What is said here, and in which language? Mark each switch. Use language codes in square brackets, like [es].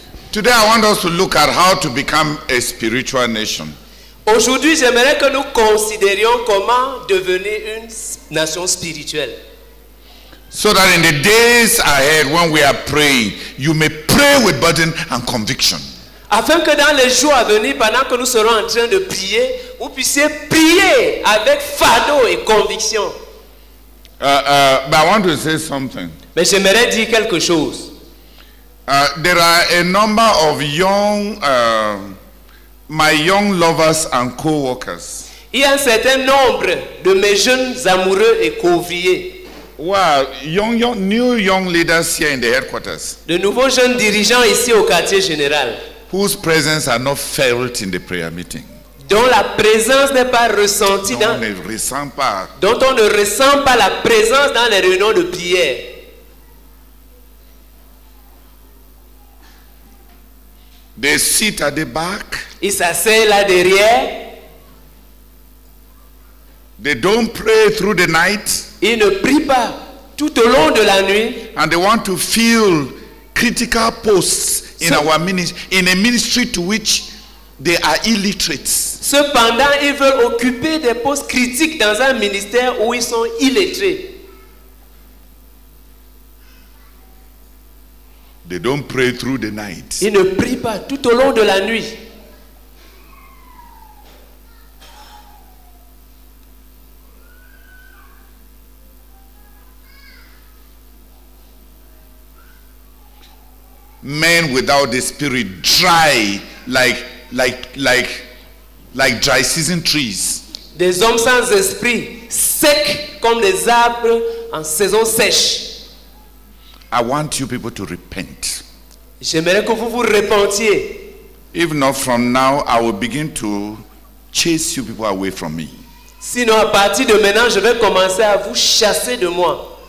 [en] Today, I want us to look at how to become a spiritual nation. [fr] Aujourd'hui, j'aimerais que nous considérions comment devenir une nation spirituelle. [en] So that in the days ahead, when we are praying, you may pray with burden and conviction. [fr] Afin que dans les jours à venir, pendant que nous serons en train de prier, vous puissiez prier avec fardeau et conviction. [en] But I want to say something. [fr] Mais j'aimerais dire quelque chose. [en] There are a number of young, my young lovers and co-workers. [fr] Il y a un certain nombre de mes jeunes amoureux et co-ouvriers. [en] Wow, new young leaders here in the headquarters. [fr] De nouveaux jeunes dirigeants ici au quartier général. [en] Whose presence are not felt in the prayer meeting. [fr] Dont la présence n'est pas ressentie dans. On ne ressent pas. Dont on ne ressent pas la présence dans les réunions de prière. [en] They sit at the back. [fr] Ils s'asseyent là derrière. [en] They don't pray through the night. [fr] Ils ne prient pas tout au long de la nuit. [en] And they want to fill critical posts in our ministry, in a ministry to which they are illiterate. [fr] Cependant, ils veulent occuper des postes critiques dans un ministère où ils sont illettrés. [en] They don't pray through the night. [fr] Ils ne prient pas tout au long de la nuit. [en] Men without the spirit dry like dry season trees. [fr] Des hommes sans esprit secs comme des arbres en saison sèche. [en] I want you people to repent. [fr] J'aimerais que vous vous repentiez. [en] If not from now, I will begin to chase you people away from me. [fr] Sinon, à partir de maintenant, je vais commencer à vous chasser de moi.